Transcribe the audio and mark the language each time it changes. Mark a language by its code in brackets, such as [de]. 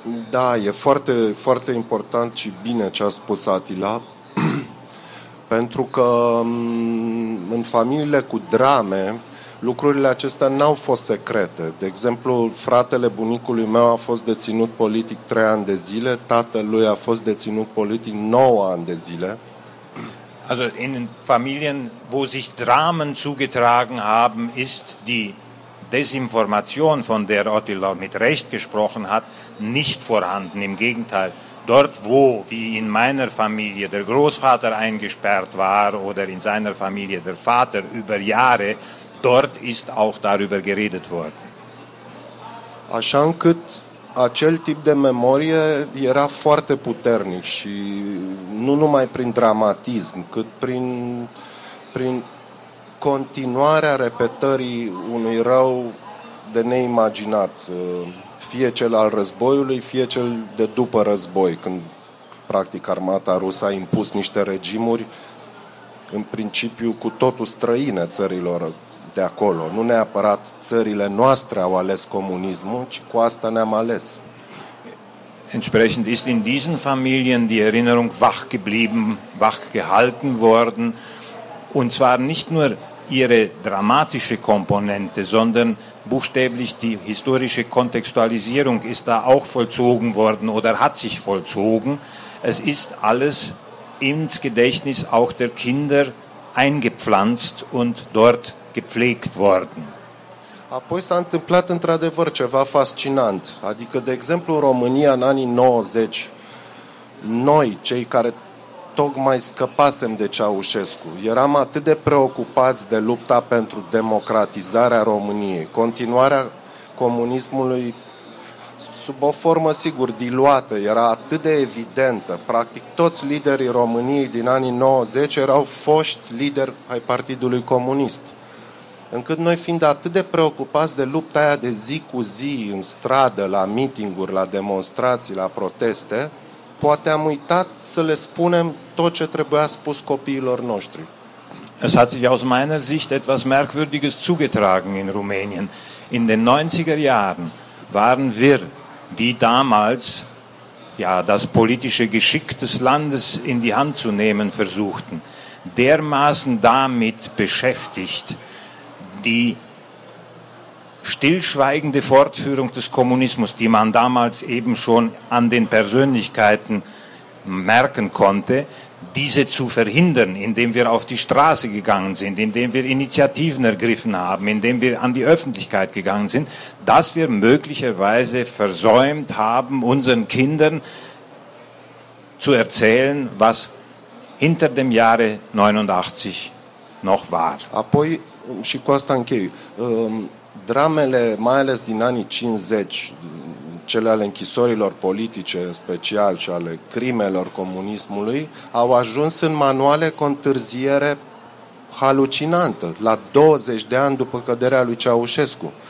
[ro] Da, e foarte, foarte important și bine ce a spus Attila, pentru că în familiile cu drame, lucrurile acestea n-au fost secrete. De exemplu, fratele bunicului meu a fost deținut politic 3 ani de zile, tatălui a fost deținut politic 9 ani de zile. [de] Also in Familien, wo sich Dramen zugetragen haben, ist die Desinformation, von der Attila mit Recht gesprochen hat, nicht vorhanden. Im Gegenteil, dort wo, wie in meiner Familie, der Großvater eingesperrt war oder in seiner Familie der Vater über Jahre, dort ist auch darüber geredet worden. [ro] Așa încât acel tip de memorie era foarte puternic și nu numai prin dramatism, cât prin continuarea repetării unui rău de neimaginat, fie cel al războiului, fie cel de după război, când practic armata rusă a impus niște regimuri în principiu cu totul străine țărilor de acolo. Nu neapărat țările noastre au ales comunismul, ci cu asta ne-am ales. [de] Entsprechend ist in diesen Familien die Erinnerung wach geblieben, wach gehalten worden, und zwar nicht nur ihre dramatische Komponente, sondern buchstäblich die historische Kontextualisierung ist da auch vollzogen worden oder hat sich vollzogen. Es ist alles ins Gedächtnis auch der Kinder eingepflanzt und dort gepflegt worden. [ro] Apoi s-a întâmplat într-adevăr ceva fascinant. Adică, de exemplu, în România, în anii 90, noi, cei care tocmai scăpasem de Ceaușescu, eram atât de preocupați de lupta pentru democratizarea României, continuarea comunismului sub o formă, sigur, diluată, era atât de evidentă. Practic, toți liderii României din anii 90 erau foști lideri ai Partidului Comunist. încât noi fiind atât de preocupați de lupta aia de zi cu zi în stradă, la meeting-uri, la demonstrații, la proteste, poate am uitat să le spunem tot ce trebuia spus copiilor noștri. [de] Es hat sich aus meiner Sicht etwas Merkwürdiges zugetragen in Rumänien. In den 90er Jahren waren wir, die damals ja, das politische Geschick des Landes in die Hand zu nehmen versuchten, dermaßen damit beschäftigt, die stillschweigende Fortführung des Kommunismus, die man damals eben schon an den Persönlichkeiten merken konnte, diese zu verhindern, indem wir auf die Straße gegangen sind, indem wir Initiativen ergriffen haben, indem wir an die Öffentlichkeit gegangen sind, dass wir möglicherweise versäumt haben, unseren Kindern zu erzählen, was hinter dem Jahre 89 noch war. [ro] Apoi, și cu asta închei, dramele, mai ales din anii 50, cele ale închisorilor politice în special și ale crimelor comunismului, au ajuns în manuale cu o întârziere halucinantă, la 20 de ani după căderea lui Ceaușescu.